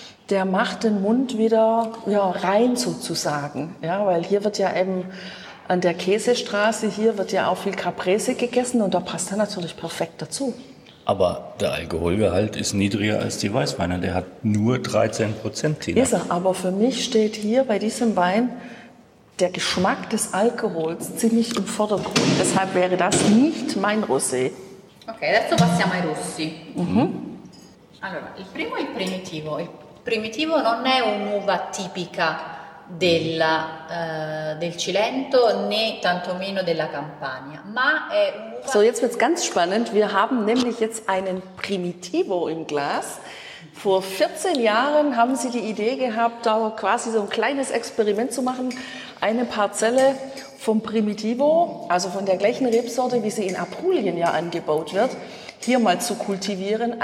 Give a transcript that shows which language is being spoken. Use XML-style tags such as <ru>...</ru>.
<de>Der macht den Mund wieder ja, rein sozusagen, ja, weil hier wird ja eben an der Käsestraße, hier wird ja auch viel Caprese gegessen und da passt er natürlich perfekt dazu. Aber der Alkoholgehalt ist niedriger als die Weißweine, der hat nur 13%. Ist er, aber für mich steht hier bei diesem Wein der Geschmack des Alkohols ziemlich im Vordergrund. Deshalb wäre das nicht mein Rosé.</de> <it>Okay, adesso passiamo ai rossi. Allora, il primo è il primitivo. Primitivo non è un'uva tipica del Cilento, né tantomeno della Campania, ma è un'uva.</it> <de>So, jetzt wird's ganz spannend. Wir haben nämlich jetzt einen Primitivo im Glas. Vor 14 Jahren haben sie die Idee gehabt, da quasi so ein kleines Experiment zu machen. Eine Parzelle vom Primitivo, also von der gleichen Rebsorte, wie sie in Apulien ja angebaut wird, hier mal zu kultivieren.</de>